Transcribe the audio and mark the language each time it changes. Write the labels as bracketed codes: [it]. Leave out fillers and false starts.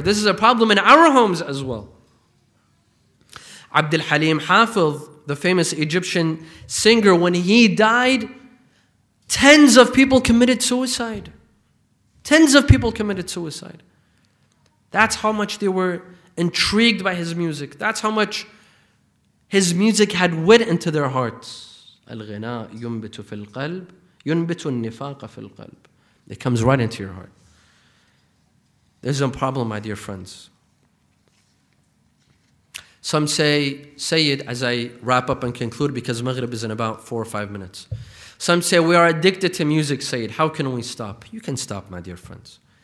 [en] This is a problem in our homes as well. Abdul Halim Hafiz, the famous Egyptian singer, when he died, tens of people committed suicide. Tens of people committed suicide. That's how much they were intrigued by his music. That's how much his music had wit into their hearts. [ar] الغناء ينبت في القلب ينبت النفاق في القلب. [en] It comes right into your heart. There's a problem, my dear friends. Some say, Sayyid, as I wrap up and conclude, because Maghrib is in about 4 or 5 minutes. Some say, we are addicted to music, Sayyid. How can we stop? You can stop, my dear friends.